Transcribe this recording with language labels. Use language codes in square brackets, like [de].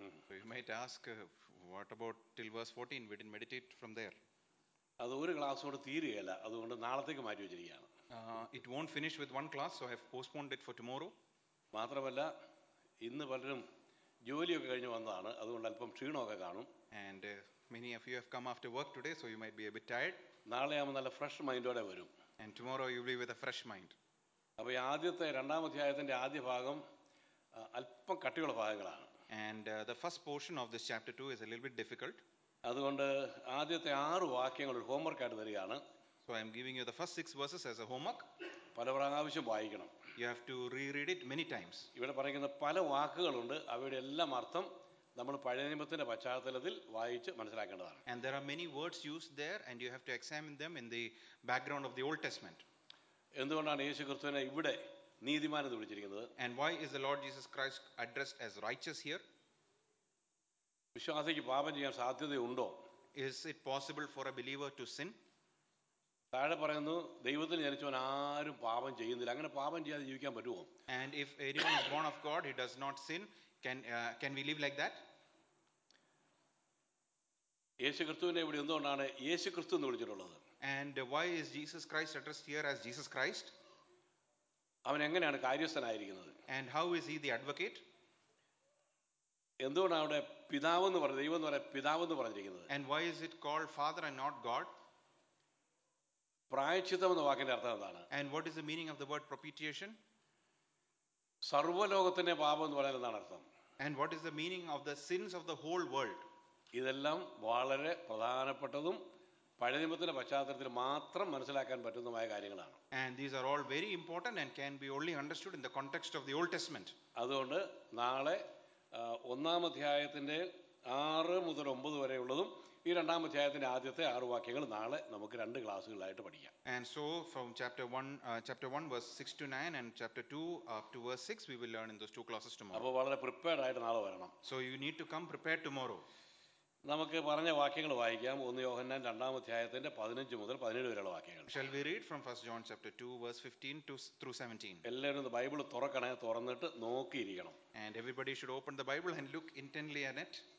[en] We might ask what about till verse 14, we didn't meditate from there. [ml] അത് ഒരു ക്ലാസ്സോട് തീരുകയല്ല, അതുകൊണ്ട് നാളത്തേക്ക് മാറ്റി വെച്ചിരിക്കുകയാണ്. [en] It won't finish with one class, so I have postponed it for tomorrow. [ml] മാത്രമല്ല ഇന്ന് പലരും ജോലിയൊക്കെ കഴിഞ്ഞ് വന്നതാണ്, അതുകൊണ്ട് അല്പം ക്ഷീണമൊക്കെ കാണും. [en] And many of you have come after work today, so you might be a bit tired. [ml] നാളെ ആവുമ്പോൾ നല്ല ഫ്രഷ് മൈൻഡോടെ വരും. [en] And tomorrow you will be with a fresh mind. [ml] അപ്പോൾ ഈ ആദ്യത്തെ രണ്ടാം അധ്യായത്തിന്റെ ആദ്യ ഭാഗം അല്പം കട്ടിയുള്ള ഭാഗങ്ങളാണ്. [en] And the first portion of this chapter 2 is a little bit difficult. [ml] അതുകൊണ്ട് ആദ്യത്തെ 6 വാക്യങ്ങൾ ഒരു ഹോംവർക്ക് ആയിട്ട് തരികയാണ്. [en] So I am giving you the first 6 verses as a homework. [ml] പല പ്രാവശ്യം വായിക്കണം. [en] You have to reread it many times. [ml] ഇവിടെ പറയുന്ന പല വാക്കുകളുണ്ട്, അവയുടെ എല്ലാം അർത്ഥം നമ്മൾ പഴയ നിയമത്തിന്റെ പശ്ചാത്തലത്തിൽ വായിച്ച് മനസ്സിലാക്കേണ്ടതാണ്. [en] And there are many words used there and you have to examine them in the background of the Old Testament. [ml] എന്തുകൊണ്ടാണ് യേശുക്രിസ്തുവിനെ ഇവിടെ നീതിമാൻ എന്ന് വിളിച്ചിരിക്കുന്നത്? [en] And why is the Lord Jesus Christ addressed as righteous here? [ml] വിശ്വാസിക്ക് പാപം ചെയ്യാൻ സാധ്യതയുണ്ടോ? [en] Is it possible for a believer to sin? [ml] താഴെ പറയുന്നു, ദൈവത്തിൽ ജനിച്ചവൻ ആരും പാപം ചെയ്യുന്നില്ല, അങ്ങനെ പാപം ചെയ്യാതെ ജീവിക്കാൻ പറ്റുമോ? [en] And if anyone is born of God, he does not sin. Can we live like that? [ml] യേശു ക്രിസ്തുവിനെ ഇവിടെ എന്തുകൊണ്ടാണ് യേശു ക്രിസ്തു എന്ന് വിളിച്ചിട്ടുള്ളത്? [en] And why is Jesus Christ addressed here as Jesus Christ? [ml] അവൻ എങ്ങനെയാണ് കാര്യസ്ഥനായിരിക്കുന്നത്? [en] And how is he the advocate? [ml] എന്തുകൊണ്ടാണ് അവിടെ പിതാവ് എന്ന് പറഞ്ഞ ദൈവം എന്ന് പറയുന്ന പിതാവ് എന്ന് പറഞ്ഞിരിക്കുന്നത്? [en] And why is it called father and not God? [ml] പ്രായശ്ചിത്തം എന്ന വാക്കിന്റെ അർത്ഥം എന്താണ്? [en] And what is the meaning of the word propitiation? [ml] സർവ്വലോകത്തിന്റെ പാപം എന്ന് പറയുന്നത് എന്താണ് അർത്ഥം? [en] And what is the meaning of the sins of the whole world? [ml] ഇതെല്ലാം വളരെ പ്രധാനപ്പെട്ടതും പഴയ നിയമത്തിന്റെ പശ്ചാത്തലത്തിൽ മാത്രം മനസ്സിലാക്കാൻ പറ്റുന്നതുമായ കാര്യങ്ങളാണ്. [en] And these are all very important and can be only understood in the context of the Old Testament. [ml] അതുകൊണ്ട് നാളെ ഒന്നാം അധ്യായത്തിന്റെ 6 മുതൽ 9 വരെയുള്ളതും ഈ രണ്ടാം അധ്യായത്തിന്റെ ആദ്യത്തെ 6 വാക്യങ്ങൾ നാളെ നമുക്ക് രണ്ട് ക്ലാസ്സുകളായിട്ട് പഠിക്കാം. [en] And so from chapter 1 verse 6 to 9 and chapter 2 up to verse 6 we will learn in those 2 classes tomorrow. [ml] അപ്പോൾ വളരെ പ്രിപ്പയർഡ് ആയിട്ട് നാളെ വരണം. [en] So you need to come prepared tomorrow. [ml] നമുക്ക് പറഞ്ഞ വാക്യങ്ങൾ വായിക്കാം. 1 യോഹന്നാൻ രണ്ടാം അധ്യായത്തിന്റെ 15 മുതൽ 17 വരെയുള്ള വാക്യങ്ങൾ. [en] Shall we read from 1 John chapter 2 verse 15 to through 17? [ml] എല്ലാവരും ബൈബിൾ തുറക്കണേ, തുറന്നിട്ട് നോക്കിയിരിക്കണം. [en] And everybody should open the Bible and look intently at it.